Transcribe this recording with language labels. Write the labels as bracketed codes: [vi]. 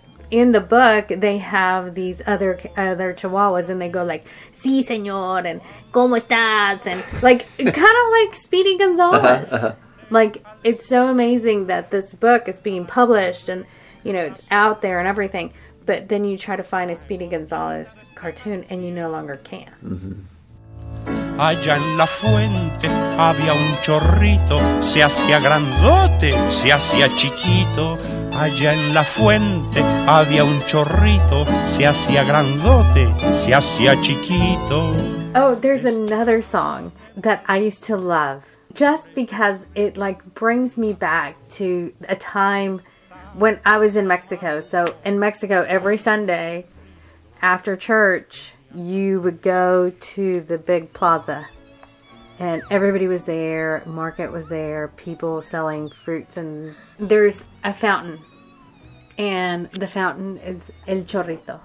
[en] In the book, they have these other chihuahuas, and they go like, [es] si, señor, [en] and [es] como estás, [en] and like, kind of like Speedy Gonzales. Uh-huh, uh-huh. Like, it's so amazing that this book is being published, and, you know, it's out there and everything, but then you try to find a Speedy Gonzales cartoon, and you no longer can. Mm-hmm. [es] Allá en la fuente había un chorrito, se hacía grandote, se hacía chiquito. Allá en la fuente había un chorrito, se hacía grandote, se hacía chiquito. [en] Oh, there's another song that I used to love just because it like brings me back to a time when I was in Mexico. So in Mexico, every Sunday after church, you would go to the big plaza, and everybody was there, market was there, people selling fruits, and there's a fountain, and the fountain is El Chorrito.